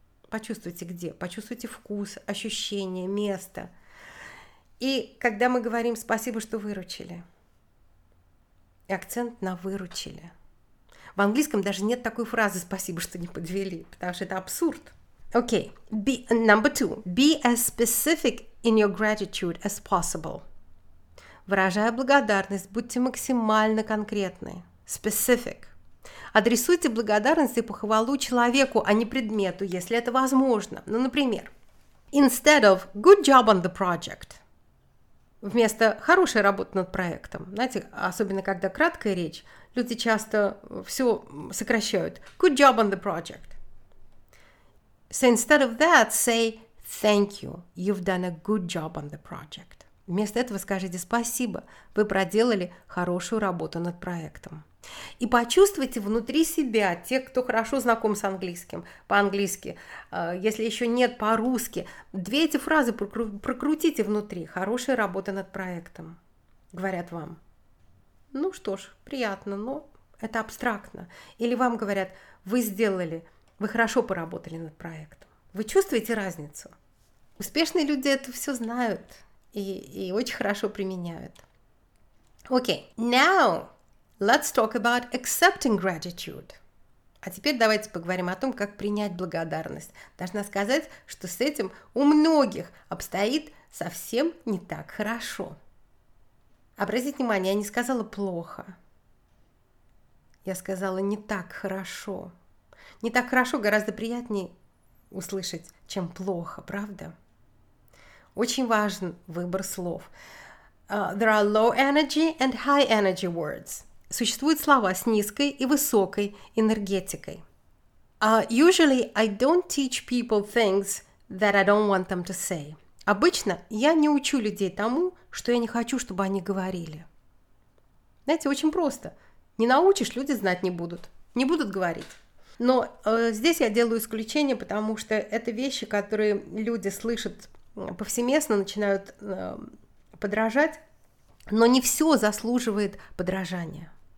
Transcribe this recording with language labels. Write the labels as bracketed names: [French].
[Russian] Почувствуйте где, почувствуйте вкус, ощущение, место. И когда мы говорим «спасибо, что выручили», акцент на «выручили». В английском даже нет такой фразы «спасибо, что не подвели», потому что это абсурд. [English] Окей, number two. Be as specific in your gratitude as possible. [Russian] Выражая благодарность, будьте максимально конкретны. Specific. Адресуйте благодарность и похвалу человеку, а не предмету, если это возможно. Ну, например, [English] instead of good job on the project, [Russian] вместо хорошей работы над проектом, знаете, особенно когда краткая речь, люди часто все сокращают. [English] Good job on the project. So instead of that, say thank you, you've done a good job on the project. [Russian] Вместо этого скажите спасибо, вы проделали хорошую работу над проектом. И почувствуйте внутри себя, те, кто хорошо знаком с английским, по-английски, если еще нет, по-русски, две эти фразы прокрутите внутри. Хорошая работа над проектом, говорят вам. Ну что ж, приятно, но это абстрактно. Или вам говорят, вы сделали, вы хорошо поработали над проектом. Вы чувствуете разницу? Успешные люди это все знают и очень хорошо применяют. [English] Окей, now let's talk about accepting gratitude. [Russian] А теперь давайте поговорим о том, как принять благодарность. Должна сказать, что с этим у многих обстоит совсем не так хорошо. Обратите внимание, я не сказала плохо. Я сказала не так хорошо. Не так хорошо гораздо приятнее услышать, чем плохо, правда? Очень важен выбор слов. [English] There are low energy and high energy words. [Russian] Существуют слова с низкой и высокой энергетикой. [English] Usually I don't teach people things that I don't want them to say. [Russian] Обычно я не учу людей тому, что я не хочу, чтобы они говорили. Знаете, очень просто. Не научишь, люди знать не будут. Не будут говорить. Но здесь я делаю исключение, потому что это вещи, которые люди слышат повсеместно, начинают подражать, но не все заслуживает подражания.